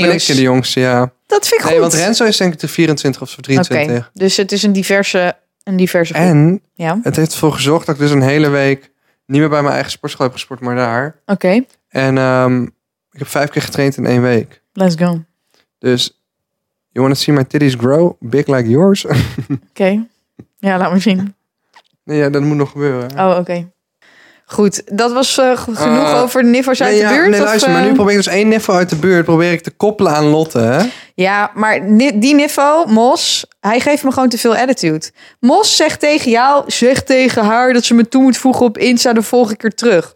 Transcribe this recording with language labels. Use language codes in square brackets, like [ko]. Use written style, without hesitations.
[nl] Nu ben ik in de jongste, ja. Dat vind ik nee, goed. Want Renzo is denk ik de 24 of 23. Okay, dus het is een diverse groep. En ja, het heeft ervoor gezorgd dat ik dus een hele week niet meer bij mijn eigen sportschool heb gesport, maar daar. Oké. Okay. En ik heb 5 keer getraind in 1 week. [en] Let's go. Dus, you wanna see my titties grow big like yours? [nl] Oké. Okay. Ja, laat me zien. Nee, ja, dat moet nog gebeuren. Oh, oké. Okay. Goed, dat was genoeg over Niffers uit de buurt. Nee, luister, of, maar nu probeer ik dus 1 Niffo uit de buurt probeer ik te koppelen aan Lotte. Hè? Ja, maar die Niffo, Mos, hij geeft me gewoon te veel attitude. Mos zegt tegen jou, zeg tegen haar dat ze me toe moet voegen op Insta, dan volg ik er terug.